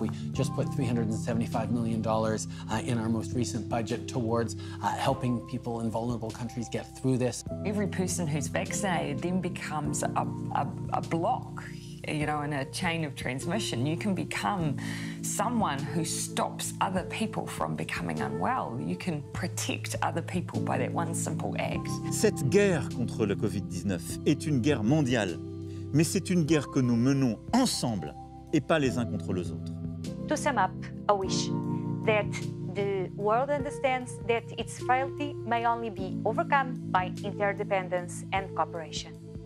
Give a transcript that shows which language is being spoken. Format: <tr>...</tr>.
<en>We just put $375 million in our most recent budget towards helping people in vulnerable countries get through this. Every person who's vaccinated then becomes a block, you know, in a chain of transmission. You can become someone who stops other people from becoming unwell. You can protect other people by that one simple act.</en> <fr>Cette guerre contre le COVID-19 est une guerre mondiale. Mais c'est une guerre que nous menons ensemble et pas les uns contre les autres.</fr> <en>To sum up, a wish that the world understands that its frailty may only be overcome by interdependence and cooperation.</en>